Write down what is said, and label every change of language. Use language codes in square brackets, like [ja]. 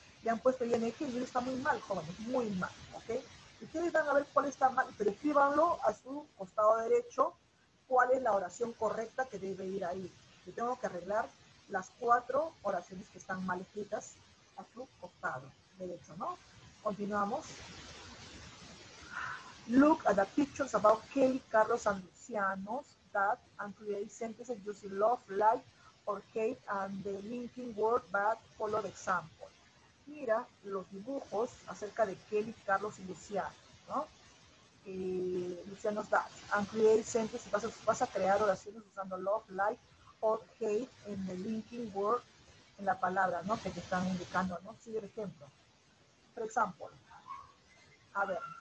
[es] Le han puesto ING y está muy mal, jóvenes, muy mal, ¿ok? Ustedes van a ver cuál está mal, pero escríbanlo a su costado derecho, cuál es la oración correcta que debe ir ahí. Yo tengo que arreglar las cuatro oraciones que están mal escritas a su costado derecho, ¿no? Continuamos. [en] Look at the pictures about Kelly, Carlos, and Luciano's dad and create sentences using love, like, or hate, and the linking word, but follow the example. [es] Mira los dibujos acerca de Kelly, Carlos y Luciano, ¿no? [en] Luciano's dad. And create sentences. [es] Vas a crear oraciones usando love, like, or hate en el linking word, en la palabra, ¿no? Que te están indicando, ¿no? Sí, por ejemplo. Por ejemplo. A ver.